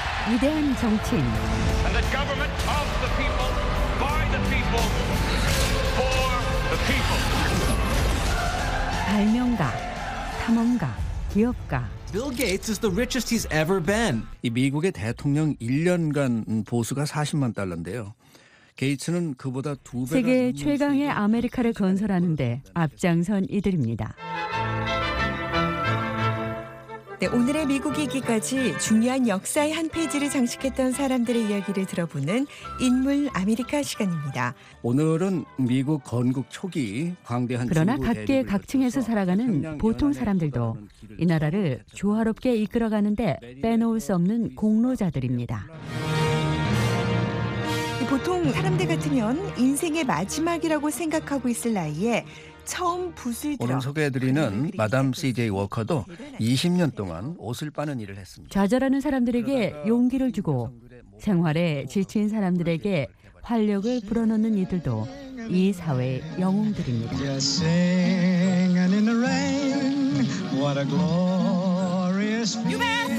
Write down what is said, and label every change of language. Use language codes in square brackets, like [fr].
[ko] 위대한 정치인 [en] And the government of the people, by the people, for the people. [ko] 발명가, 탐험가, 기업가 [en] Bill Gates is the richest he's ever been. [ko] 이 미국의 대통령 1년간 보수가 40만 달러인데요. 게이츠는 그보다 두 배가 세계 최강의 아메리카를 건설하는데 앞장선 이들입니다. 네, 오늘의 미국이기까지 중요한 역사의 한 페이지를 장식했던 사람들의 이야기를 들어보는 인물 아메리카 시간입니다. 오늘은 미국 건국 초기 광대한 그러나 각계 각층에서 살아가는 보통 사람들도 이 나라를 조화롭게 이끌어가는데 빼놓을 수 없는 공로자들입니다. 보통 사람들 같으면 인생의 마지막이라고 생각하고 있을 나이에 처음 붓을 들어 오늘 소개해드리는 마담 CJ 워커도 20년 동안 옷을 빠는 일을 했습니다. 좌절하는 사람들에게 용기를 주고 생활에 지친 사람들에게 활력을 불어넣는 이들도 이 사회의 영웅들입니다. [en] Singing in the rain, what a glorious feeling.